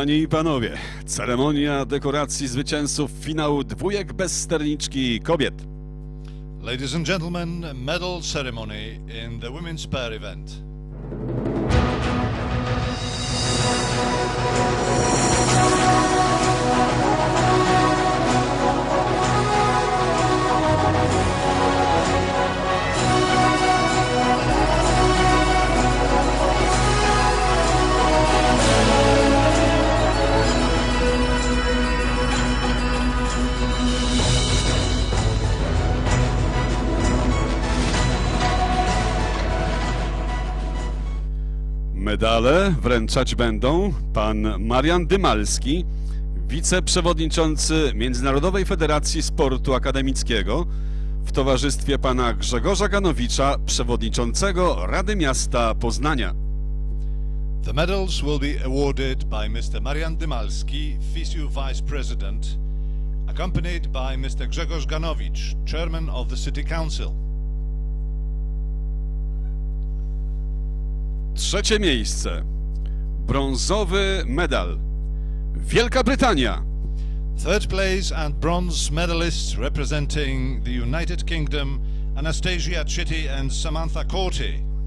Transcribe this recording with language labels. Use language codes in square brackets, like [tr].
[pl] Panowie, ceremonia dekoracji zwycięzców finału dwójek bez sterniczki kobiet. [en] Ladies and gentlemen, medal ceremony in the women's pair event. [pl] Medale wręczać będą pan Marian Dymalski, wiceprzewodniczący Międzynarodowej Federacji Sportu Akademickiego, w towarzystwie pana Grzegorza Ganowicza, przewodniczącego Rady Miasta Poznania. [en] The medals will be awarded by Mr. Marian Dymalski, FISU Vice President, accompanied by Mr. Grzegorz Ganowicz, Chairman of the City Council. [pl] Trzecie miejsce, brązowy medal, Wielka Brytania. [en] Third place and bronze medalists representing the United Kingdom, Anastasia Chitty and Samantha Corti.